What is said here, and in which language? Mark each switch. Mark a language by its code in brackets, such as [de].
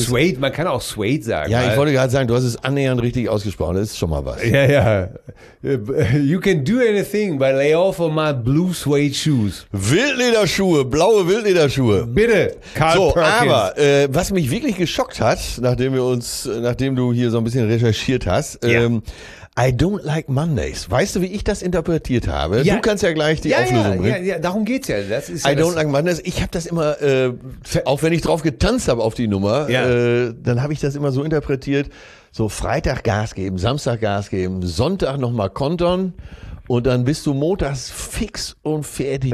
[de] Suede, man kann auch Suede sagen. Ja, ich wollte gerade sagen, du hast es annähernd richtig ausgesprochen. Das ist schon mal was. Ja, ja. [en] You can do anything, but lay off of my blue suede shoes. [de] Wildlederschuhe, blaue Wildlederschuhe. Bitte, Carl so, Perkins. Aber was mich wirklich geschockt hat, nachdem du hier so ein bisschen recherchiert hast, [en] I don't like Mondays. [de] Weißt du, wie ich das interpretiert habe? Ja. Du kannst ja gleich die Auflösung bringen. Ja, darum geht's ja. Das ist ja [en] Don't like Mondays. [de] Ich habe das immer, auch wenn ich drauf getanzt habe auf die Nummer, dann habe ich das immer so interpretiert, so Freitag Gas geben, Samstag Gas geben, Sonntag nochmal kontern und dann bist du montags fix und fertig.